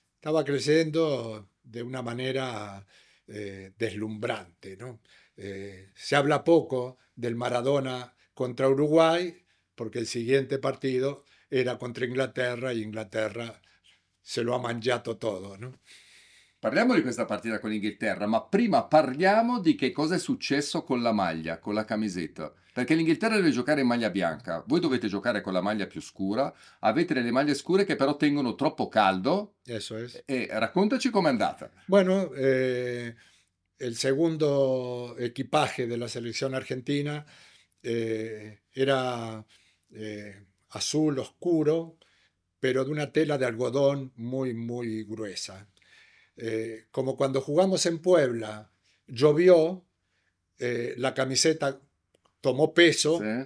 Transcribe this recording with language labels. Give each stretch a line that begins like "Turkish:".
Spanish: Estaba creciendo de una manera deslumbrante, ¿no? Se habla poco del Maradona contra Uruguay porque el siguiente partido era contra Inglaterra y Inglaterra se lo ha mangiato todo, ¿no?
Italian: Parliamo di questa partita con l'Inghilterra, ma prima parliamo di che cosa è successo con la maglia, con la camisetta. Perché l'Inghilterra deve giocare in maglia bianca, voi dovete giocare con la maglia più scura, avete delle maglie scure che però tengono troppo caldo.
Spanish: Eso es.
Italian: E raccontaci com'è andata. Bueno, il secondo equipaggio della selezione argentina era
Spanish: azul oscuro,
Italian: però di una tela di algodón molto, molto gruesa.
Spanish: Como cuando jugamos en Puebla, llovió, la camiseta tomó peso, sí.